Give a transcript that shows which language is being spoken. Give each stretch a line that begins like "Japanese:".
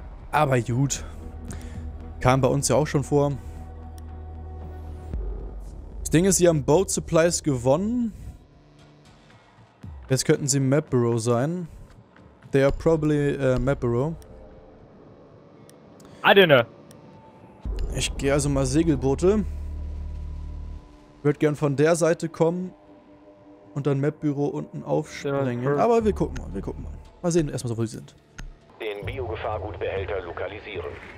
German: Aber gut. Kam bei uns ja auch schon vor. Das Ding ist, sie haben Boat Supplies gewonnen. Jetzt könnten sie Map Bureau sein.
English: They are probably Map Bureau. I don't know.
German: Ich gehe also mal Segelboote. Würde gern von der Seite kommen und dann Map-Büro unten aufsprengen. Aber wir gucken mal, wir gucken mal. Mal sehen erstmal, wo sie sind. Den Biogefahrgutbehälter lokalisieren.